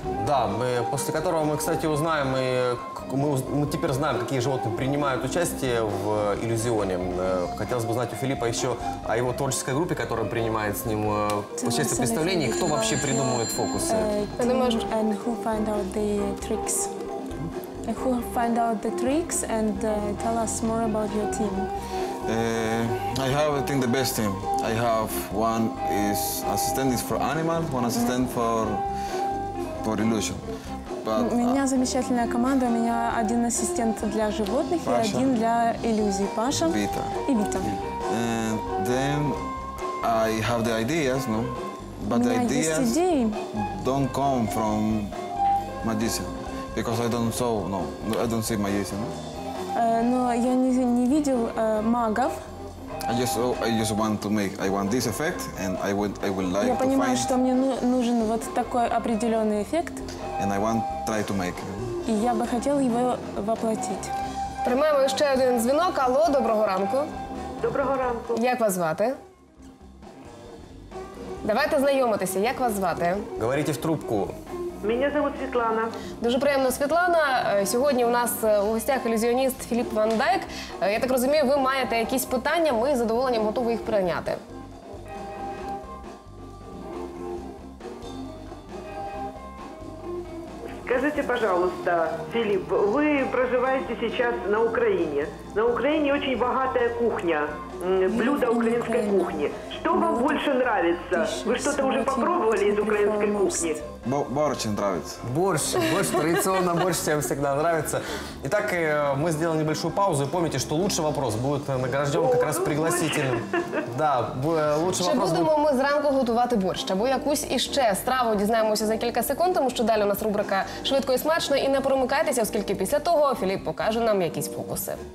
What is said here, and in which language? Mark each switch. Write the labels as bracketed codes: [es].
[ru] Да, после которого мы, кстати, узнаем, мы теперь знаем, какие животные принимают участие в иллюзионе. Хотелось бы узнать у Филиппа еще о его творческой группе, которая принимает с ним участие в представлении. Кто вообще придумывает фокусы? [en] And who find out the tricks? Who find out the tricks and tell us more about your team? I have, I think, the best team. I have one is assistant is for animal, one assistant for [ru] У меня замечательная команда, у меня один ассистент для животных и один для иллюзий. Паша и Вита. [en] Then I have the ideas, no? But the ideas don't come from magician, because I don't saw, no, I don't see magician. [ru] Но я не видел магов. [en] I just want to make. I want this effect, and I would like. [ru] Я понимаю, что мне нужен вот такой определенный эффект. [en] And I want try to make. [ru] И я бы хотел его воплотить. [uk] Приймаємо ще один дзвінок. Алло, доброго ранку. Доброго ранку. Як вас звати? Давайте знайомитися. Як вас звати? [ru] Говорите в трубку. Меня зовут Светлана. [uk] Дуже приємно, Світлана. Сьогодні у нас у гостях ілюзіоніст Філіп Ван Дайк. Я так розумію, ви маєте якісь питання, ми з задоволенням готові їх прийняти. Скажіть, будь ласка, Філіп, ви проживаєте зараз на Україні. На Україні дуже багата кухня, блюда української кухні. Що вам більше подобається? Ви щось вже спробували з української кухні? [ru] Борщ нравится. Борщ, традиционно борщ всем всегда нравится. Итак, мы сделали небольшую паузу, и помните, что лучший вопрос будет награжден как раз пригласительным. Да, лучший [uk] чи [ru] вопрос будет... [uk] Чи будемо ми зранку готувати борщ? Або якусь іще страву дізнаємося за кілька секунд, тому що далі у нас рубрика «Швидко і смачно», і не перемикайтеся, оскільки після того Філіп покаже нам якісь фокуси.